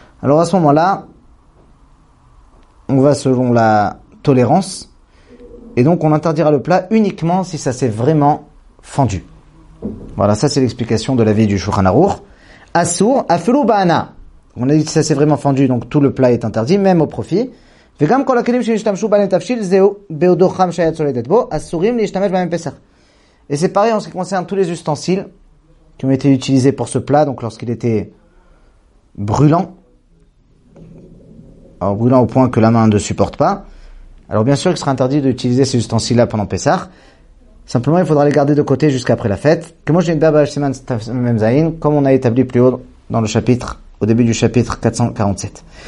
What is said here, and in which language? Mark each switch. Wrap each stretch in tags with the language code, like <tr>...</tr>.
<fr>Alors à ce moment-là, on va selon la tolérance. Et donc on interdira le plat uniquement si ça s'est vraiment fendu. Voilà, ça c'est l'explication de l'avis du Shulchan Aruch.</fr> <he>Assur, afilu ba'ana.</he> <fr>On a dit que si ça s'est vraiment fendu, donc tout le plat est interdit, même au profit.</fr> <he>וגם כל הכלים שהשתמשו בהם תבשיל, זהו בעודו חם שהיה צולדת בו, אסורים להשתמש בהם פסח.</he> <fr>Et c'est pareil en ce qui concerne tous les ustensiles qui ont été utilisés pour ce plat, donc lorsqu'il était brûlant, alors brûlant au point que la main ne supporte pas, alors bien sûr qu'il sera interdit d'utiliser ces ustensiles-là pendant Pessah. Simplement, il faudra les garder de côté jusqu'après la fête. Comme on a établi plus haut dans le chapitre, au début du chapitre 447.</fr>